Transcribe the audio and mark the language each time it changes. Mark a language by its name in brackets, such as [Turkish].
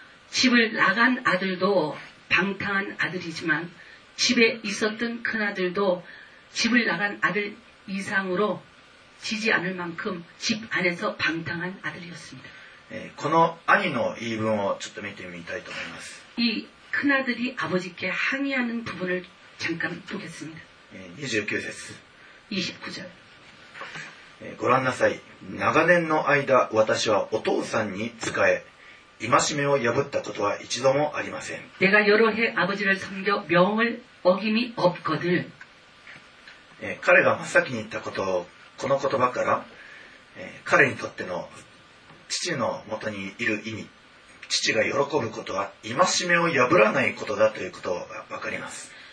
[Korean] 집을나간아들도방탕한아들이지만집에있었던큰아들도집을나간아들이상으로지지않을만큼집안에서방탕한아들이었습니다 [Japanese] この兄の言い分をちょっと見てみたいと思います。 [Korean] 이큰아들이아버지께항의하는부분을잠깐보겠습니다 [Japanese] 29節 [Korean] 29절 [Japanese] ご覧なさい、長年の間私はお父さんに仕え戒めを破ったことは一度もありません。 [Korean] 내가여러해아버지를섬겨명을어김이없거든 [Japanese] 彼が真っ先に言ったことをこの言葉から彼にとっての父のもとにいる意味、父が喜ぶことは戒めを破らないことだということが分かります。